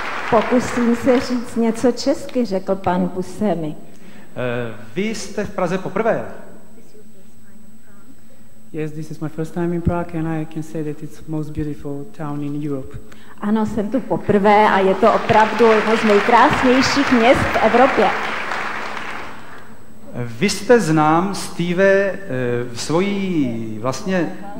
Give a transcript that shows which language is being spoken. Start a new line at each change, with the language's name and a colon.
Czech: Pokusím se říct něco česky, řekl pan Buscemi. Vy jste v Praze poprvé?
English: Yes, this is my first time in Prague and I can say that it's most beautiful town in Europe.
Czech: Ano, jsem tu poprvé a je to opravdu jedno z nejkrásnějších měst v Evropě. Vy jste znám, Steve, v svojí vlastně...